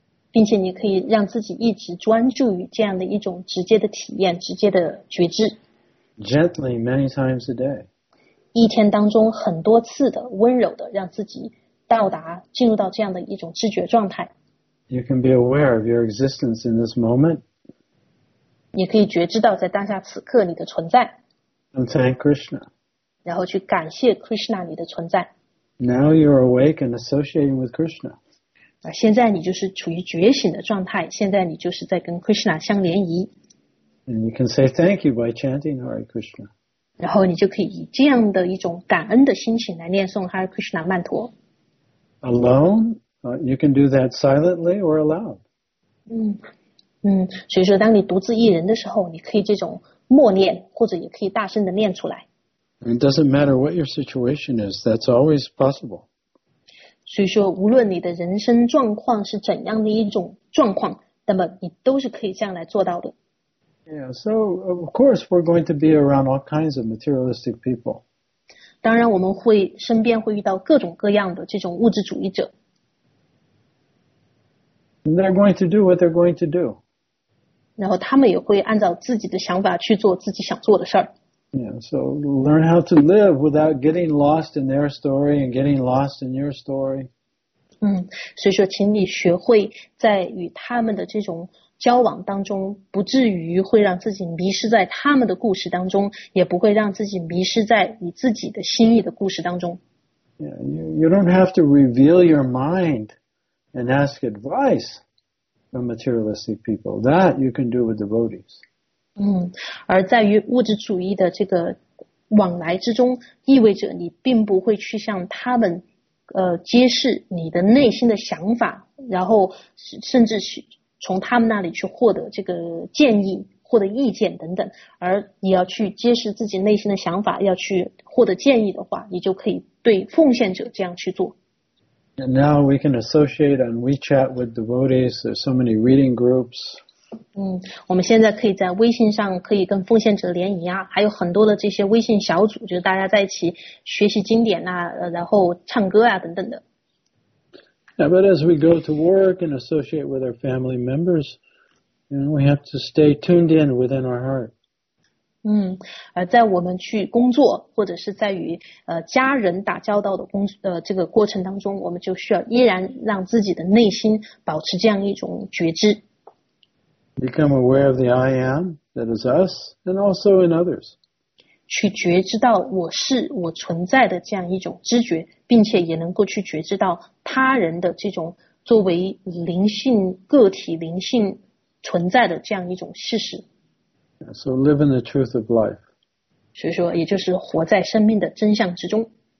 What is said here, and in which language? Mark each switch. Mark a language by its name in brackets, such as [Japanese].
[Chinese] 并且你可以让自己一直专注于这样的一种直接的体验，直接的觉知。 [English] Gently, many times a day. [Chinese] 一天当中很多次的温柔的让自己到达进入到这样的一种知觉状态。 [English] You can be aware of your existence in this moment. [Chinese] 你可以觉知到在当下此刻你的存在。 [English] And thank Krishna. [Chinese] 然后去感谢 Krishna 你的存在。 [English] Now you're awake and associating with Krishna. [Chinese] 现在你就是处于觉醒的状态，现在你就是在跟 Krishna 相联谊。 [English] And you can say thank you by chanting Hare Krishna. [Chinese] 然后你就可以以这样的一种感恩的心情来念诵 Hare Krishna 曼陀。 [English] Alone, you can do that silently or aloud. [Chinese] 所以说当你独自一人的时候，你可以这种默念，或者也可以大声的念出来。 [English] It doesn't matter what your situation is, that's always possible. [Chinese] 所以说无论你的人生状况是怎样的一种状况，那么你都是可以这样来做到的。 [English] Yeah, so of course we're going to be around all kinds of materialistic people. [Chinese] 当然我们会身边会遇到各种各样的这种物质主义者。 [English] And they're going to do what they're going to do. [Chinese] 然后他们也会按照自己的想法去做自己想做的事儿。 [English] Yeah, so learn how to live without getting lost in their story and getting lost in your story. [Chinese] 所以说请你学会在与他们的这种交往当中不至于会让自己迷失在他们的故事当中，也不会让自己迷失在你自己的心意的故事当中。 [English] Yeah, you don't have to reveal your mind and ask advice from materialistic people. That you can do with devotees. [Chinese] 而在于物质主义的这个往来之中，意味着你并不会去向他们揭示你的内心的想法，然后甚至是从他们那里去获得这个建议，获得意见等等，而你要去揭示自己内心的想法，要去获得建议的话，你就可以对奉献者这样去做。 [English] And now we can associate on WeChat with devotees. There's so many reading groups. [Chinese] 我们现在可以在微信上可以跟奉献者联谊啊，还有很多的这些微信小组，就是大家在一起学习经典啊，然后唱歌啊等等的。 [English] Yeah, but as we go to work and associate with our family members, you know, we have to stay tuned in within our heart. [Chinese] 在我们去工作或者是在与家人打交道的这个过程当中，我们就需要依然让自己的内心保持这样一种觉知。 [English] Become aware of the I am that is us, and also in others. [Chinese] 去觉知到我是我存在的这样一种知觉，并且也能够去觉知到他人的这种作为灵性个体灵性存在的这样一种事实。 [English] So live in the truth of life. [Chinese] 所以说也就是活在生命的真相之中。